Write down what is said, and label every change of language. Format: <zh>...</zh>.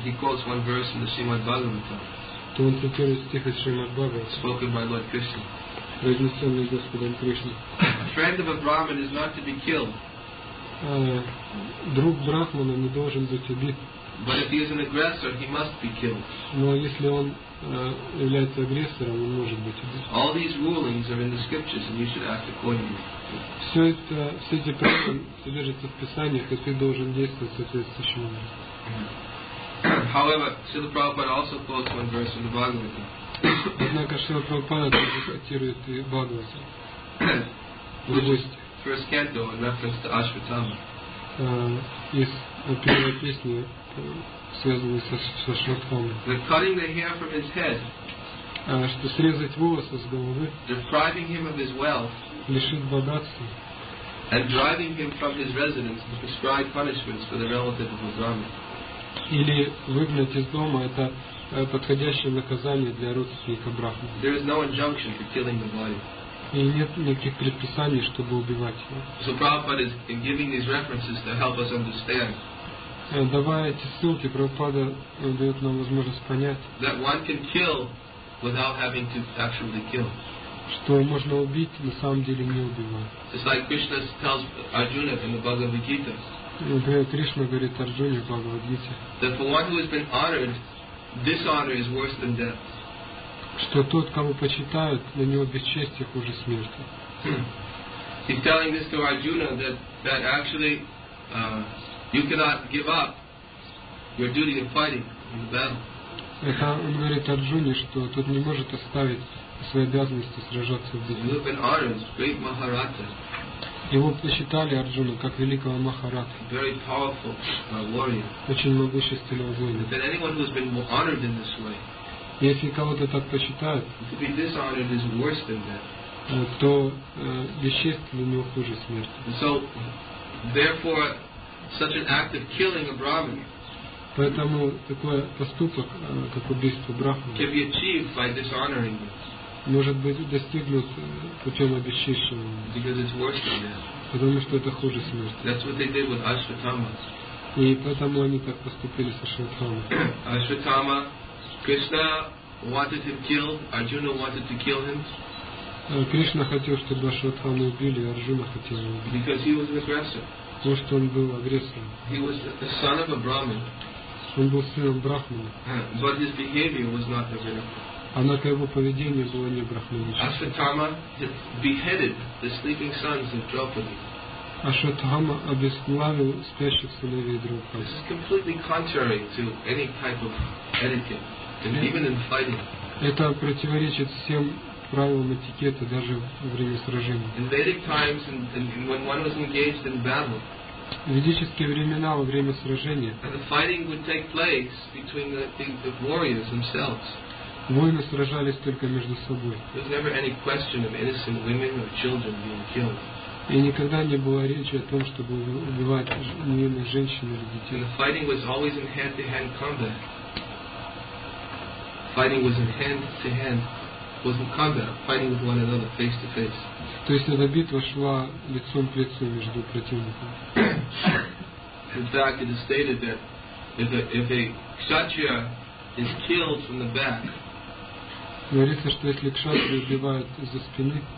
<en>he quotes one verse in the Srimad Bhagavatam,</en> <ru>то он цитирует стих из Шримад Бхагаватам,</ru> <en>spoken by Lord Krishna,</en> <ru>произнесенный Господом Кришной.</ru> <en>A friend of a Brahmin is not to be killed.</en> <ru>Друг брахмана не должен быть убит.</ru> <en>But if he is an aggressor, he must be killed.</en> <ru>Но если он является агрессором, он может быть убит.</ru> <en>All these rulings are in the scriptures, and you should act accordingly.</en> <ru>Все эти правила содержатся в Писаниях, и ты должен действовать соответствующим образом.</ru> <en>However, Srila Prabhupada also quotes one verse in the Bhagavatam.</en> <ru>Однако Srila Prabhupada также цитирует и Бхагавату.</ru> <en>First canto in reference to Ashvatthama.</en> <ru>Из первой песни, связанной с Ашватхамой.</ru> <en>The cutting the hair from his head.</en> <ru>Что срезать волосы с головы.</ru> <en>Depriving him of his wealth.</en> <ru>Лишить богатства.</ru> <en>And driving him from his residence to prescribe punishments for the relative of a Brahmin.</en> <ru>Или выгнать из дома – это подходящее наказание для родственника брахмана.</ru> <en>There is no injunction for killing the body.</en> <ru>И нет никаких предписаний, чтобы убивать его.</ru> <en>So Prabhupada is giving these references to help us understand.</en> <ru>Давая эти ссылки, Прабхупада дает нам возможность понять,</ru> <en>that one can kill without having to actually kill.</en> <ru>Что можно убить, на самом деле не убивая.</ru> <en>It's like Krishna tells Arjuna in the Bhagavad Gita.</en> <ru>Кришна говорит Арджуне в Бхагавад-гите, что тот, кого почитают, на него бесчестие хуже смерти.</ru> <en>He's telling this to Arjuna that actually you cannot give up your duty of fighting in the battle.</en> <ru>Это он говорит Арджуне, что тот не может оставить свои обязанности сражаться в битве.</ru> <en>You've been honored, great Maharaja.</en> <ru>Его посчитали Арджуну как великого Махарата.</ru> <en>Very powerful,</en> <ru>очень могущественного воина.</ru> <en>But anyone who has been honored in this way,</en> <ru>если кого-то так посчитают,</ru> <en>to be dishonored is worse than that.</en> <ru>То бесчестие для него хуже смерти.</ru> <en>So, therefore, such an act of killing a Brahmin,</en> <ru>поэтому такой поступок, как убийство брахмана,</ru> <en>can be achieved by dishonoring him.</en> <ru>Может быть достигнут путем обесчищения, потому что это хуже смерти.</ru> <en>That's what they did with Ashvatthama.</en> <ru>И поэтому они так поступили с Ашватхамой.</ru> <en>Ashvatthama, Krishna wanted him killed. Arjuna wanted to kill him.</en> <ru>Кришна хотел, чтобы Ашватхану убили, Арджуна хотел его убить.</ru> <en>Because he was an aggressor.</en> <ru>Потому что он был агрессором.</ru> <en>He was the son of a Brahmin.</en> <ru>Он был сыном брахмана.</ru> <en>But his behavior was not aggressive.</en> <ru>Однако его поведение было не брахманическим.</ru> <en>Ашватхама beheaded the sleeping sons of Draupadi.</en> <ru>Ашватхама обезглавил спящих сыновей Драупади.</ru> <en>This is completely contrary to any type of etiquette, and even in fighting.</en> <ru>Это противоречит всем правилам этикета даже во время сражений.</ru> <en>In Vedic times, and when one was engaged in battle,</en> <ru>в ведические времена, во время сражения,</ru> <en>and the fighting would take place between the warriors themselves.</en> <ru>Воины сражались только между собой.</ru> <en>There was never any question of innocent women or children being killed.</en> <ru>И никогда не было речи о том, чтобы убивать невинных женщин или детей.</ru> <en>And the fighting was always in hand-to-hand combat. Fighting was in hand-to-hand, wasn't combat, fighting with one another face-to-face.</en> <ru>То есть эта битва шла лицом к лицу между противниками.</ru> <en>In fact, it is stated that if a kshatriya is killed from the back,</en> <ru>говорится, что если кшатри убивают из-за спины,</ru>